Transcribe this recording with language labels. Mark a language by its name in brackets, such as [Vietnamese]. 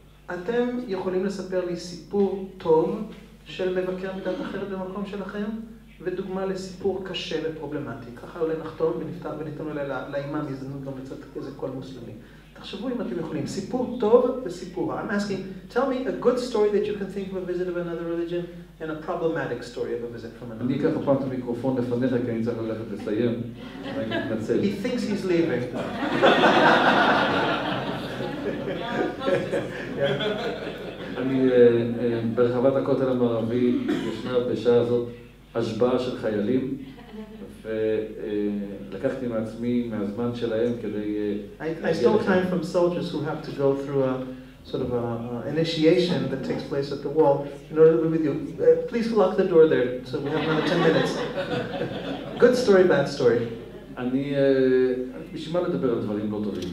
[Hebrew] אתם יכולים לספר לי סיפור טוב של מבקר מדת אחרת במקום שלכם, ודוגמה לסיפור קשה ופרובלמטי. ככה אולי נחתום ונפתח וניתן אולי לאימם הזדמנות גם לצאת איזה קול מוסלמי. תחשבו אם אתם יכולים. סיפור טוב וסיפור. [English] I'm asking, tell me a good story that you can think of a visit of another religion and a problematic story of a visit from another religion. [Hebrew] אני אקח הפעם את המיקרופון לפניך כי אני צריך ללכת לסיים. [English] He thinks he's leaving. [Hebrew] אני ברחבת הכותל המערבי ישנה בשעה הזאת השבעה של חיילים. ולקחתי מעצמי מהזמן שלהם כדי [English] I stole time from soldiers who have to go through a sort of an initiation that takes place at the wall in order to be with you. Please lock the door there so we have another 10 minutes. Good story, bad story. [Hebrew] אני בשביל מה לדבר על דברים לא טובים?